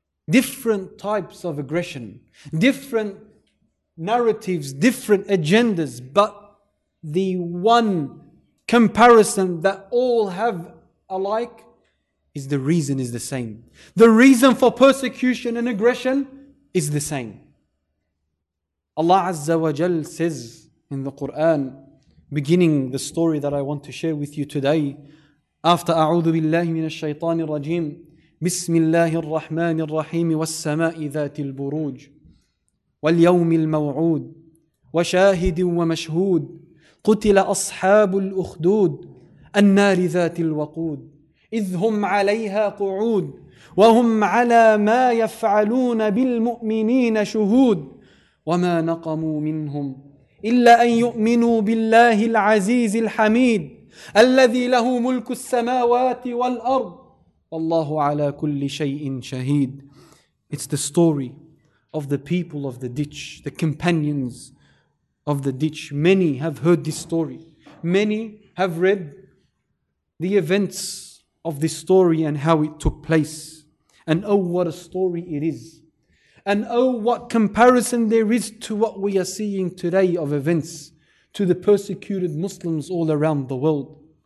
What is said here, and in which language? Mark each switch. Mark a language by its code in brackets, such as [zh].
[en] Different types of aggression, different narratives, different agendas, but the one comparison that all have alike is the reason is the same. The reason for persecution and aggression is the same. Allah Azza wa Jal says in the Quran, beginning the story that I want to share with you today, after [ar] أعوذ بالله من الشيطان الرجيم بسم الله الرحمن الرحيم والسماء ذات البروج واليوم الموعود وشاهد ومشهود قتل أصحاب الأخدود النار ذات الوقود إذ هم عليها قعود وهم على ما يفعلون بالمؤمنين شهود وما نقموا منهم إلا أن يؤمنوا بالله العزيز الحميد الذي له ملك السماوات والأرض والله على كل شيء شهيد. [en] It's the story of the people of the ditch, the companions of the ditch. Many have heard this story. Many have read the events of this story and how it took place. And oh, what a story it is. And oh, what comparison there is to what we are seeing today of events, to the persecuted Muslims all around the world.